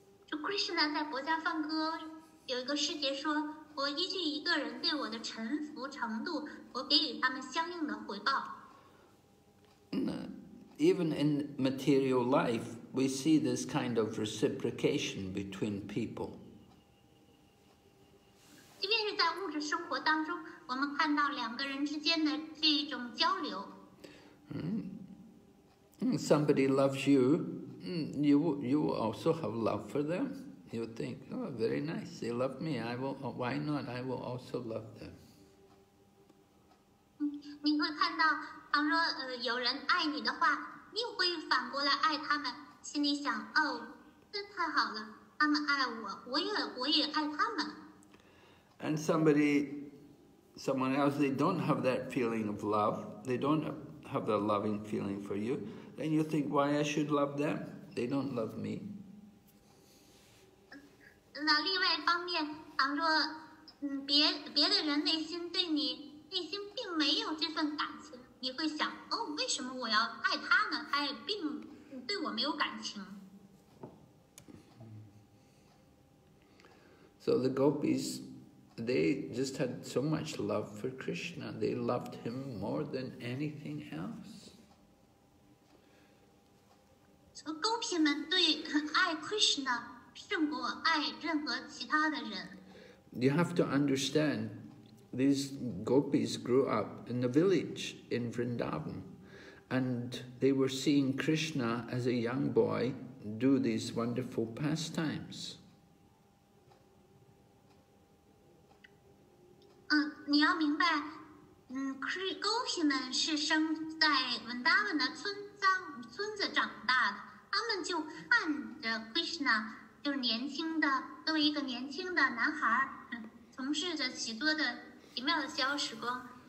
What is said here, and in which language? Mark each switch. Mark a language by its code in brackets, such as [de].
[en] So [zh] Krishna 在《薄伽梵歌》有一个师姐说，我依据一个人对我的臣服程度，我给予他们相应的回报。 [en] Even in material life, we see this kind of reciprocation between people. [zh] 即便是在物质生活当中，我们看到两个人之间的这一种交流。 [en] Somebody loves you, you will also have love for them. You think, oh, very nice, they love me, I will, why not, I will also love them. [zh] 你会看到，假如有人爱你的话，你会反过来爱他们，心里想，哦，真太好了，他们爱我，我也爱他们。 [en] And someone else, they don't have that feeling of love, they don't have the loving feeling for you, then you think, why I should love them? They don't love me. [zh] 那另外一方面，倘若别的人内心并没有这份感情，你会想，哦，为什么我要爱他呢？他也并对我没有感情。 [en] So the gopis,they just had so much love for Krishna. They loved him more than anything else. So, [zh] gopis 们对爱 Krishna 胜过爱任何其他的人。 [en] You have to understand, these gopis grew up in the village in Vrindavan, and they were seeing Krishna as a young boy do these wonderful pastimes. [zh] 你要明白，勾皮们是生在文达文的村子长大的，他们就看着 Krishna 就是年轻的，作为一个年轻的男孩，从事着许多的奇妙的消时光。